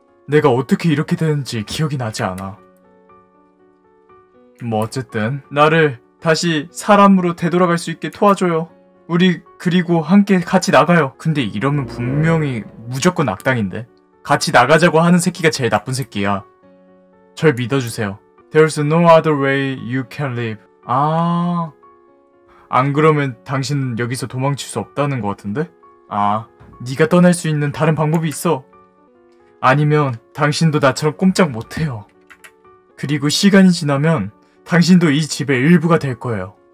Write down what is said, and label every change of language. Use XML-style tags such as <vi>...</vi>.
<ko>내가 어떻게 이렇게 되는지 기억이 나지 않아. 뭐 어쨌든 나를 다시 사람으로 되돌아갈 수 있게 도와줘요. 우리 그리고 함께 같이 나가요. 근데 이러면 분명히 무조건 악당인데. 같이 나가자고 하는 새끼가 제일 나쁜 새끼야. 절 믿어주세요.</ko> <en>There's no other way you can live.</en> <ko>아, 안 그러면 당신 여기서 도망칠 수 없다는 것 같은데? 아, 네가 떠날 수 있는 다른 방법이 있어. 아니면 당신도 나처럼 꼼짝 못해요. 그리고 시간이 지나면 당신도 이 집의 일부가 될 거예요.</ko>